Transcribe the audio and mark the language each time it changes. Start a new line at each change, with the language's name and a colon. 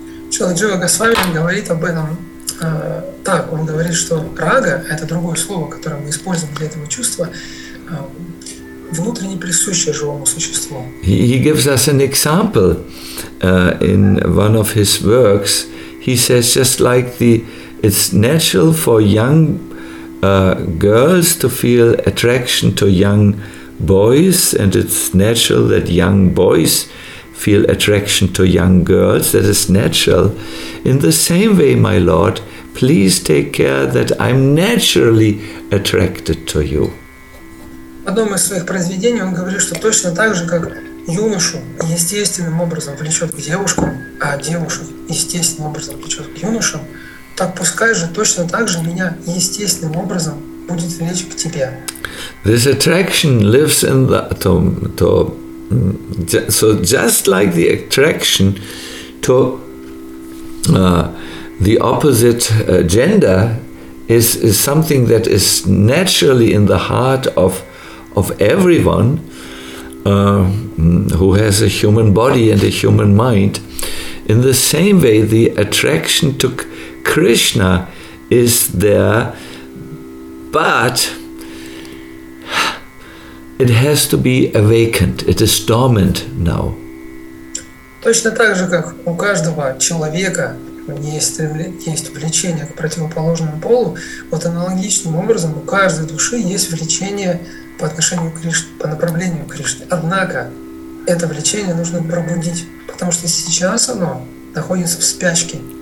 Russian: Шрила Джива Госвами говорит об этом так, он говорит, что рага – это другое слово, которое мы используем для этого чувства, внутренне присущее живому существу.
English: He gives us an example in one of his works. He says, just like the it's natural for young girls to feel attraction to young boys, and it's natural that young boys feel attraction to young girls. That is natural. In the same way, my Lord, please take care that I'm naturally attracted to you.
Russian: В одном из своих произведений он говорит, что точно так же, как юношу естественным образом влечет к девушкам, а девушу естественным образом влечет к юношам, так пускай же точно так же меня естественным образом будет влечь к тебе.
English: This attraction lives in the to so just like the attraction to the opposite gender is something that is naturally in the heart of everyone who has a human body and a human mind. In the same way, the attraction to Krishna is there, but it has to be awakened. It is dormant now.
Russian: Точно так же, как у каждого человека есть влечение к противоположному полу, вот аналогичным образом у каждой души есть влечение по отношению к Кришне, по направлению к Кришне. Однако это влечение нужно пробудить, потому что сейчас оно находится в спячке.